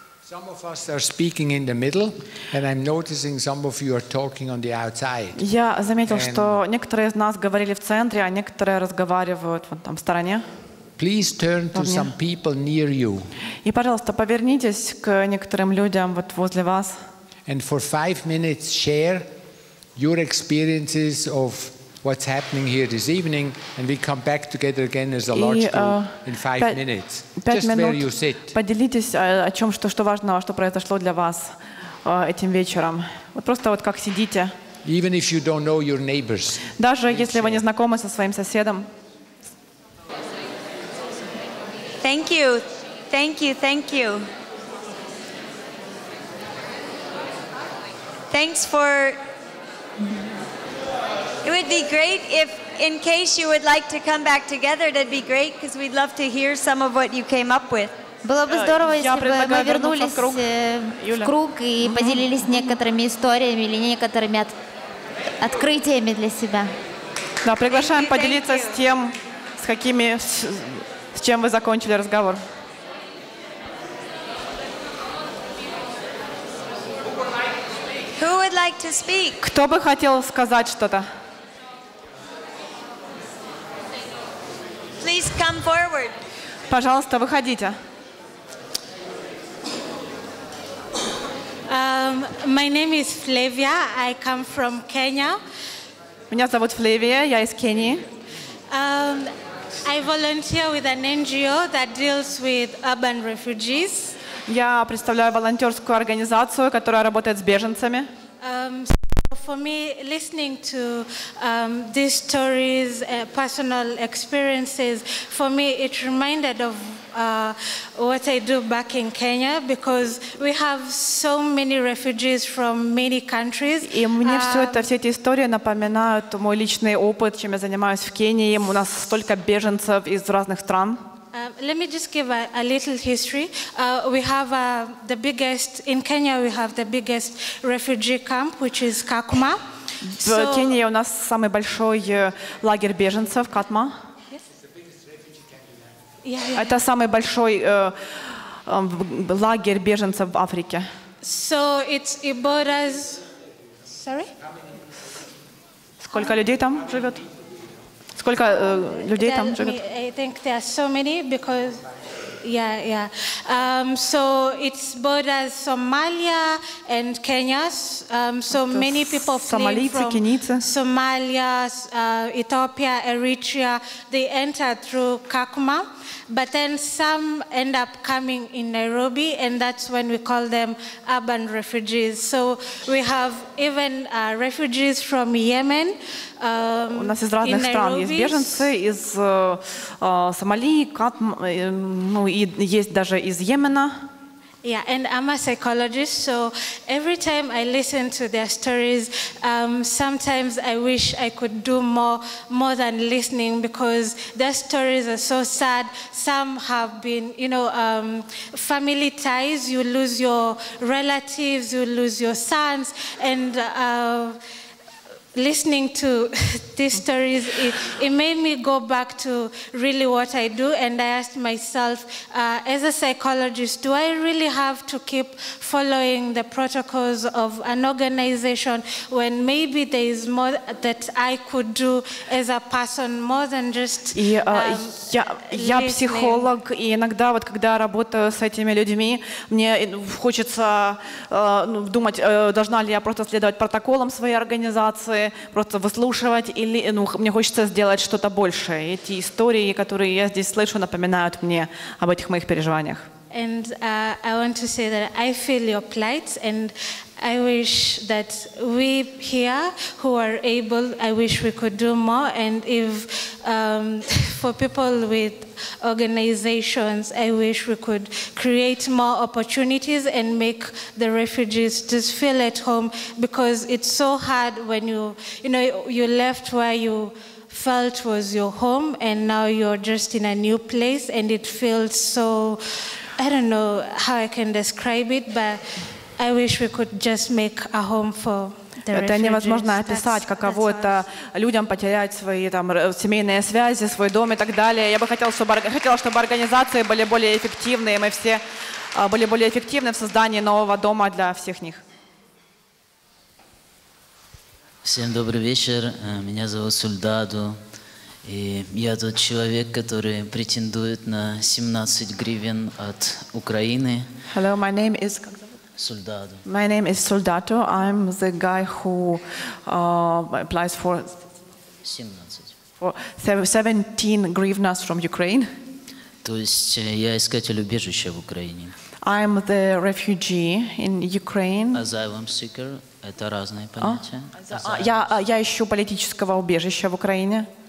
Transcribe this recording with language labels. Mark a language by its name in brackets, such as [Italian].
[English] Some of us are speaking in the middle, and I'm noticing some of you are talking on the outside. [Russian] Я заметил, что некоторые из нас говорили в центре, а некоторые разговаривают вон там в стороне. [English] Please turn to some people near you. [Russian] И, пожалуйста, повернитесь к некоторым людям вот возле вас. [English] And for 5 minutes, share your experiences of what's happening here this evening, and we come back together again as a large group in 5 minutes. Just where you sit. [Russian] Поделитесь о чем, что важного, что произошло для вас этим вечером. Вот просто вот как сидите. [English] Even if you don't know your neighbors. [Russian] Даже если вы не знакомы со своим соседом. [English] Thank you, thank you, thank you. Thanks for. It would be great if, in case you would like to come back together, that'd be great because we'd love to hear some of what you came up with. [Russian] Было бы здорово, если бы мы вернулись в круг и поделились некоторыми историями или некоторыми открытиями для себя. Да, приглашаем поделиться с тем, с какими. С чем вы закончили разговор? [English] Who would like to speak? [Russian] Кто бы хотел сказать что-то? [English] Please come forward. [Russian] Пожалуйста, выходите. [English] My name is Flavia. I come from Kenya. [Russian] Меня зовут Флевия, я из Кении. [English] I volunteer with an NGO that deals with urban refugees. [Russian] Я представляю волонтерскую организацию, которая работает с беженцами. [English] For me, listening to these stories, personal experiences, for me it reminded of what I do back in Kenya, because we have so many refugees from many countries. [Russian] И мне все эти истории напоминают мой личный опыт, чем я занимаюсь в Кении. У нас столько беженцев из разных стран. [English] Let me just give a little history. We have the biggest in Kenya. We have the biggest refugee camp, which is Kakuma. [Russian] В Кении у нас самый большой лагерь беженцев Катма. Это самый большой лагерь беженцев в Африке. [English] So it borders. Sorry. [Russian] Сколько людей там живет? Сколько людей там живет? [English] I think there are so many because, yeah. So it's borders Somalia and Kenya. So many people flee from [Russian] Кенийцы. [English] Somalia, Ethiopia, Eritrea. They enter through Kakuma, but then some end up coming in Nairobi, and that's when we call them urban refugees. So we have even refugees from Yemen. [Russian] У нас из разных стран есть беженцы, из Сомали, ну и есть даже из Йемена. [English] Yeah, and I'm a psychologist, so every time I listen to their stories, sometimes I wish I could do more than listening, because their stories are so sad. Some have been, you know, family ties. You lose your relatives, you lose your sons, and listening to these stories, it made me go back to really what I do, and I asked myself, as a psychologist, do I really have to keep following the protocols of an organization when maybe there is more that I could do as a person, more than just [Russian] я психолог, и иногда вот когда работаю с этими людьми, мне хочется думать, должна ли я просто следовать протоколам своей организации, просто выслушивать, или мне хочется сделать что-то большее. Эти истории, которые я здесь слышу, напоминают мне об этих моих переживаниях. [English] And I want to say that I feel your plight, and I wish that we here who are able, I wish we could do more, and if for people with organizations, I wish we could create more opportunities and make the refugees just feel at home, because it's so hard when you left where you felt was your home, and now you're just in a new place, and it feels so, I don't know how I can describe it, but I wish we could just make a home for the refugees. [Russian] Это невозможно описать, каково это людям потерять свои там семейные связи, свой дом и так далее. Я бы хотела, чтобы организации были более эффективны, мы все были более эффективны в создании нового дома для всех них. Всем добрый вечер. Меня зовут Сульдаду. И я тот человек, который претендует на 17 гривен от Украины. [English] Hello, my name is Soldado. My name is Soldado. I'm the guy who applies for 17 гривнас from Ukraine. [Russian] То есть я искатель убежища в Украине. [English] I'm the refugee in Ukraine. Asylum seeker. [Russian] Это разные понятия. Я ищу политического убежища в Украине.